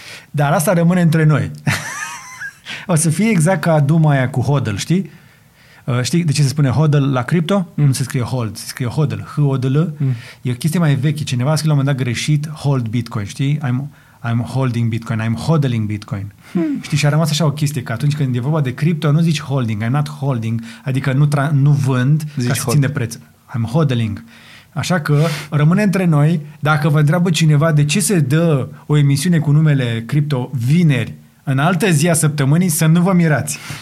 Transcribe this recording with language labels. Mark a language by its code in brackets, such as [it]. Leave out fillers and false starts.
[ro] Dar asta rămâne între noi. O să fie exact ca Duma aia cu HODL, știi? Știi de ce se spune HODL la cripto? Mm. Nu se scrie HOLD, se scrie HODL, H-O-D-L. Mm. E o chestie mai veche. Cineva a scris la un moment dat greșit HOLD BITCOIN, știi? [en] I'm holding Bitcoin, I'm hodling Bitcoin. Hmm. [ro] Știi, și a rămas așa o chestie, că atunci când e vorba de cripto, nu zici holding, [en] I'm not holding, [ro] adică nu vând, zici ca să țin de preț. [en] I'm hodling. [ro] Așa că rămâne între noi, dacă vă întreabă cineva de ce se dă o emisiune cu numele cripto vineri, în altă zi a săptămânii, să nu vă mirați.